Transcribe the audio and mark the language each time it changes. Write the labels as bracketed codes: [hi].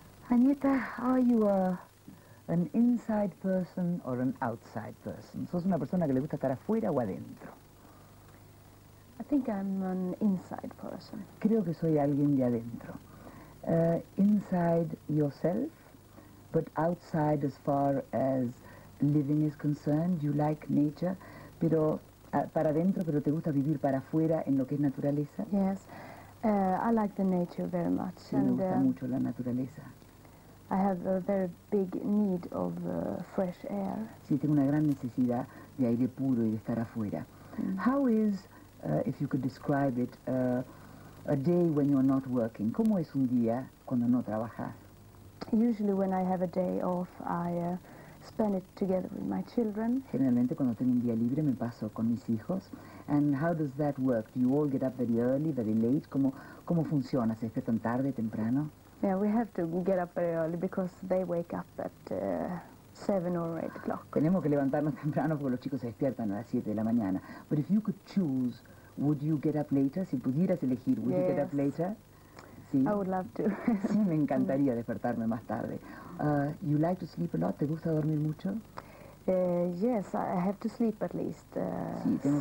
[en] Agnetha, are you an inside person or an outside person? [es] ¿Sos una persona que le gusta estar afuera o adentro? [en] I think I'm an inside person. [es] Creo que soy alguien de adentro. [en] Inside yourself, but outside as far as living is concerned. You like nature, [es] pero para adentro, pero te gusta vivir para afuera en lo que es naturaleza. [en] Yes, I like the nature very much. [es] Sí, me gusta mucho la naturaleza. [en] I have a very big need of fresh air. [es] Sí, tengo una gran necesidad de aire puro y de estar afuera. Mm. [en] How is, if you could describe it, a day when you're not working? [es] ¿Cómo es un día cuando no trabajas? [en] Usually when I have a day off, I spend it together with my children. [es] Generalmente cuando tengo un día libre me paso con mis hijos. [en] And how does that work? Do you all get up very early, very late? [es] ¿Cómo funciona? ¿Se despiertan tarde, temprano? [en] Yeah, we have to get up very early because they wake up at 7 or 8 o'clock. [es] Tenemos que levantarnos temprano porque los chicos se despiertan a las 7 de la mañana. [en] But if you could choose, would you get up later? [es] Si pudieras elegir, [en] would yes. you get up later? Sí. I would love to. [es] Sí, me encantaría despertarme más tarde. [en] You like to sleep a lot? [es] ¿Te gusta dormir mucho? [en] Yes, I have to sleep at least [es] sí,